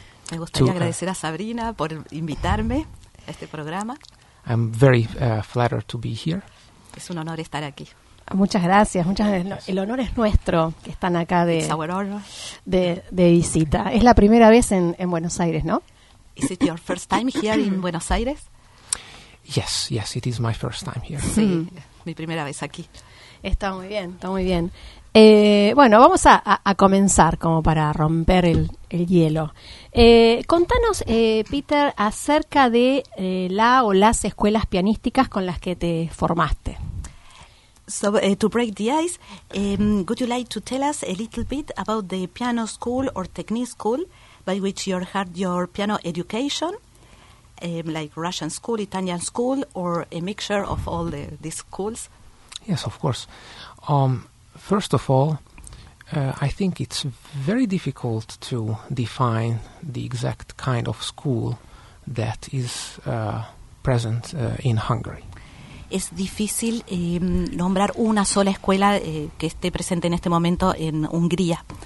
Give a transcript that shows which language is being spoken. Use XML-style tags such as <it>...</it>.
<es>Me gustaría agradecer a Sabrina por invitarme a este programa.</es> <en>I'm very flattered to be here.</en> <es>Es un honor estar aquí. Muchas gracias. El honor es nuestro que están acá de visita. Es la primera vez en Buenos Aires, ¿no?</es> <en>Is it your first time here in Buenos Aires? Yes, it is my first time here.</en> <es>Sí, mi primera vez aquí. Está muy bien. Vamos a comenzar como para romper el hielo. Contanos, Peter, acerca de la o las escuelas pianísticas con las que te formaste.</es> <en>So, to break the ice, would you like to tell us a little bit about the piano school or technique school by which you had your piano education, like Russian school, Italian school, or a mixture of all these schools? Yes, of course. First of all, I think it's very difficult to define the exact kind of school that is present in Hungary.</en> <es>Es difícil nombrar una sola escuela que esté presente en este momento en Hungría.</es>